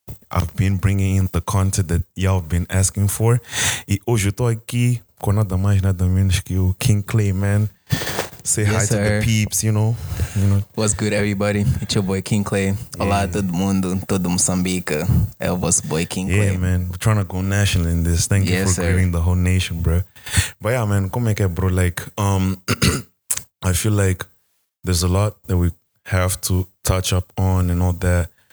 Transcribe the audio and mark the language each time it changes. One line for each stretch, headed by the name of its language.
English: I've been bringing in the content that y'all been asking for.
Portuguese: E hoje eu tô aqui com nada mais, nada menos que o King Clay, man.
English: Say yes, hi, sir. To the peeps, you know. What's good, everybody? It's your boy, King Clay. Olá, yeah.
Portuguese: Todo mundo. Todo Moçambique. É o vosso boy, King Clay.
English: Yeah, man. We're trying to go national in this. Thank you for greeting the whole nation, bro. But yeah, man.
Portuguese: Como é que é,
English: bro? Like, I feel like there's a lot that we have to touch up on and all that.